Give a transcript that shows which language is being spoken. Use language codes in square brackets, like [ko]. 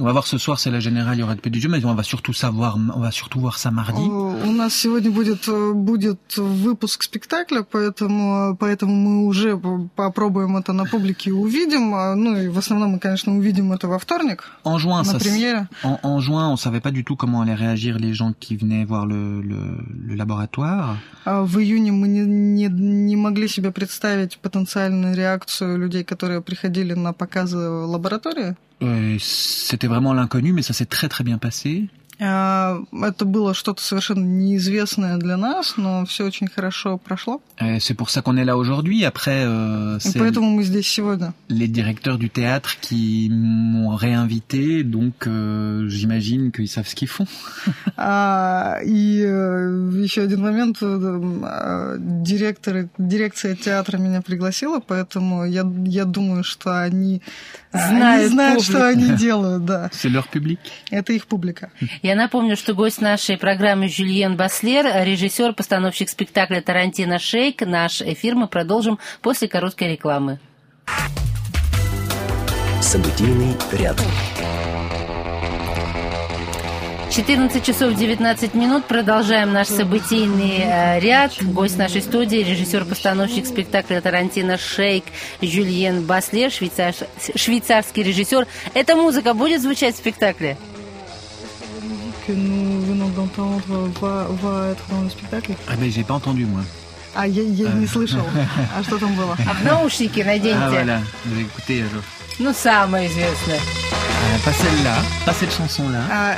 [fr] On va voir ce soir, c'est la générale, il y aura le petit jeu, mais on va surtout voir ça mardi. [ru] У нас сегодня будет выпуск спектакля, поэтому мы уже попробуем это на публике увидим. Ну и в основном мы, конечно, увидим это во вторник. [fr] En juin, [ru] на премьере. [fr] En juin, on savait pas du tout comment allaient réagir les gens qui venaient voir le laboratoire. [ru] В июне мы не могли себе представить потенциальную реакцию людей, которые приходили на показы лаборатории. [fr] C'était vraiment l'inconnu, mais ça s'est très très bien passé. [ru] Это было что-то совершенно неизвестное для нас, но все очень хорошо прошло. [fr] C'est pour ça qu'on est là aujourd'hui. Après, [ru] c'est поэтому мы здесь сегодня. [fr] Les directeurs du théâtre qui m'ont réinvité, donc j'imagine qu'ils savent ce qu'ils font. [ru] И еще один момент. Дирекция театра меня пригласила, поэтому я думаю, что они знают, что они делают. Да. [fr] C'est leur public. [ru] Это их публика. Я напомню, что гость нашей программы Жюльен Баслер, режиссер, постановщик спектакля «Тарантино Шейк». Наш эфир мы продолжим после короткой рекламы. Событийный ряд. 14:19. Продолжаем наш событийный ряд. Гость нашей студии, режиссер-постановщик спектакля «Тарантино Шейк» Жюльен Баслер, швейцарский режиссер. Эта музыка будет звучать в спектакле? [fr] Que nous venons d'entendre va être dans le spectacle. Ah mais j'ai pas entendu moi. Ah y'a ni слышал. [ru] А что там было? А в наушники наденьте. [fr] Ah voilà, vous écoutez alors. [ru] Ну самое известное. [fr] Pas celle-là, pas cette chanson-là.